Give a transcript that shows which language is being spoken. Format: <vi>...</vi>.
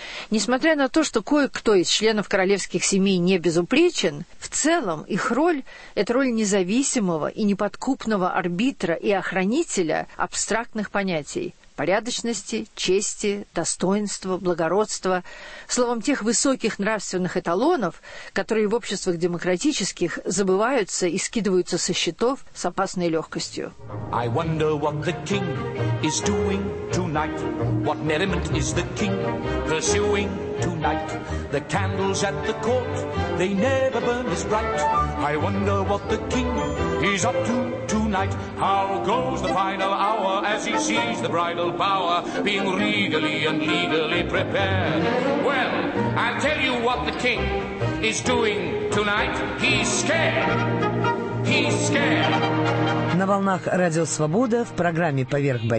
<ru>Несмотря на то, что кое-кто из членов королевских семей не безупречен, в целом их роль – это роль независимого и неподкупного арбитра и охранителя абстрактных понятий – порядочности, чести, достоинства, благородства, словом, тех высоких нравственных эталонов, которые в обществах демократических забываются и скидываются со счетов с опасной легкостью.</ru> <en>I wonder what the king is doing tonight. What merriment is the king pursuing tonight? The candles at the court, they never burn as bright. I wonder what the king is up to tonight. How goes the final hour as he sees the bridal bower being regally and legally prepared? Well, I'll tell you what the king is doing tonight. He's scared. He's scared.</en> <ru>На волнах Радио Свобода в программе «Поверх барьеров»</ru>